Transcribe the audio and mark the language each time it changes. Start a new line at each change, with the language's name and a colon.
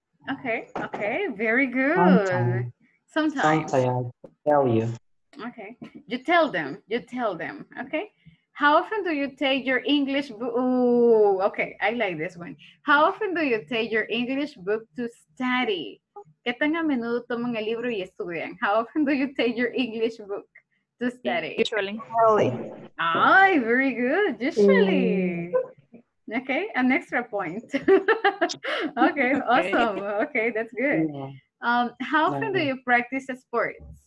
English: Okay. Okay. Very good. Sometimes. I tell you. Okay. You tell them. Okay. How often do you take your English book? Ooh. Okay. I like this one. How often do you take your English book to study?
Spanish: ¿Qué tan a menudo toman el libro y estudian?
English: How often do you take your English book? Usually. Ay, very good. Usually. Mm. Okay, an extra point. Okay, awesome. Okay, that's good. How often do you practice sports?